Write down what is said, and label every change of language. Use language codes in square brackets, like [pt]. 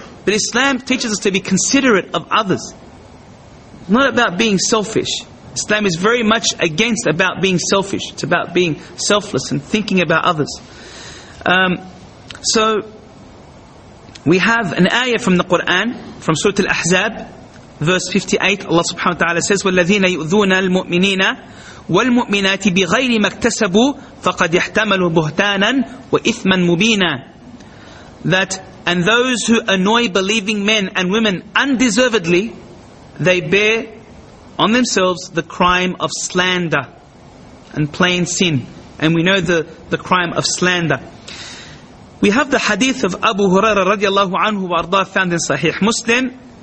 [en] But Islam teaches us to be considerate of others. Not about being selfish. Islam is very much against about being selfish. It's about being selfless and thinking about others. So we have an ayah from the Quran, from Surah Al-Ahzab, verse 58. Allah subhanahu wa ta'ala says, [ar] وَالَّذِينَ يُؤْذُونَ الْمُؤْمِنِينَ وَالْمُؤْمِنَاتِ بِغَيْرِ مَا اكْتَسَبُوا فَقَدْ يَحْتَمَلُوا بُهْتَانًا وَإِثْمًا مُبِينًا. [en] That, and those who annoy believing men and women undeservedly, they bear on themselves the crime of slander and plain sin. And we know the crime of slander. We have the hadith of Abu Huraira radiallahu anhu wa arda, found in Sahih Muslim.